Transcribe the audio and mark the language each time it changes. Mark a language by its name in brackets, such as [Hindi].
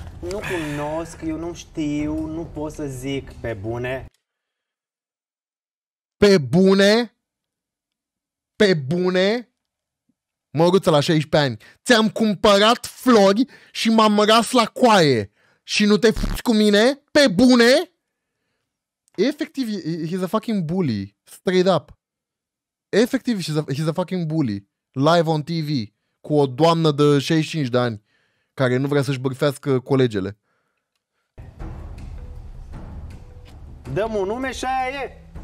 [Romanian] Nu cunosc, eu nu știu, nu pot să zic pe bune. Pe bune? Pe bune? Măruță la 16 ani, ți-am cumpărat flori și m-am ras la coaie și nu te fuci cu mine? Pe bune? [English] Efectiv, he's a fucking bully. Straight up. Efectiv, he's a fucking bully. Live on TV [Romanian] cu o doamnă de 65 de ani care nu vrea să-și bârfească colegele. Dă-mi un nume și aia e.